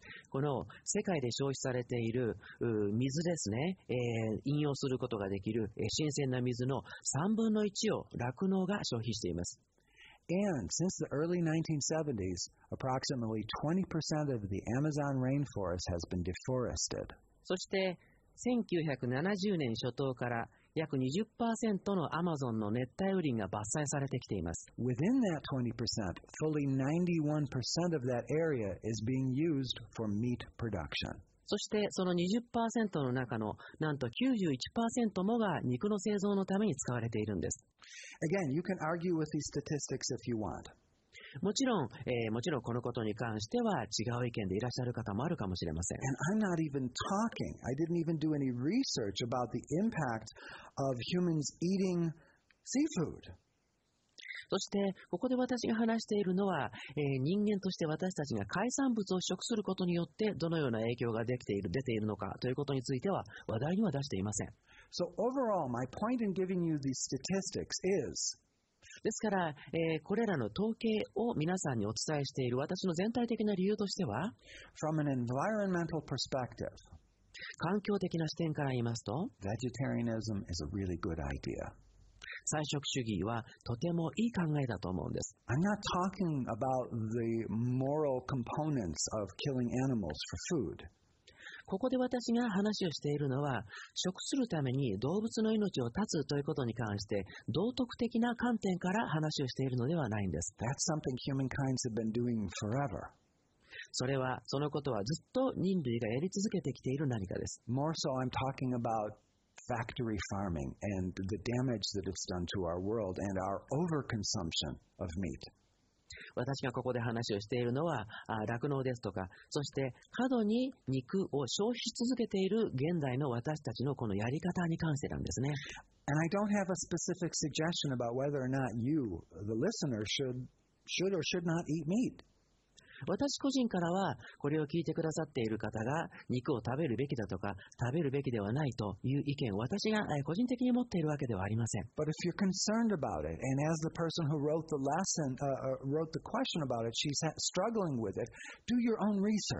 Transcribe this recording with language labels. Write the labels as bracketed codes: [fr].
[ja] この世界で消費されている水ですね、飲用することができる新鮮な水の3分の1を酪農が消費しています。 [en] And since the early 1970s, approximately 20% of the Amazon rainforest has been deforested. [ja] そして1970年初頭から約 20% のアマゾンの熱帯雨林が伐採されてきています。 [en] Within that 20%, fully 91% of that area is being used for meat production. [ja] そしてその 20% の中のなんと 91% もが肉の製造のために使われているんです。 [en] Again, you can argue with these statistics if you want. [ja] もちろんこのことに関しては違う意見でいらっしゃる方もあるかもしれません。 [en] And I'm not even talking. I didn't even do any research about the impact of humans eating seafood. [ja] そしてここで私が話しているのは、人間として私たちが海産物を食することによってどのような影響が出ているのかということについては話題には出していません。 [en] So overall, my point in giving you these statistics is... [ja] ですから、これらの統計を皆さんにお伝えしている私の全体的な理由としては [en] From an environmental perspective, [ja] 環境的な視点から言いますと [en] Vegetarianism is a really good idea. [ja] 菜食主義はとてもいい考えだと思うんです。 [en] I'm not talking about the moral components of killing animals for food. [ja] ここで私が話をしているのは、食するために動物の命を絶つということに関して、道徳的な観点から話をしているのではないんです。 [en] That's something humankind's been doing forever. [ja] それは、そのことはずっと人類がやり続けてきている何かです。 [en] More so, I'm talking about factory farming and the damage that it's done to our world and our overconsumption of meat. [ja] 私がここで話をしているのは酪農ですとかそして過度に肉を消費し続けている現代の私たちのこのやり方に関してなんですね。 [en] And I don't have a specific suggestion about whether or not you, the listener, should or should not eat meat. [ja] 私個人からはこれを聞いてくださっている方が肉を食べるべきだとか食べるべきではないという意見を私が個人的に持っているわけではありません。 [en] But if you're concerned about it and as the person who wrote the lesson, wrote the question about it, she's struggling with it, do your own research.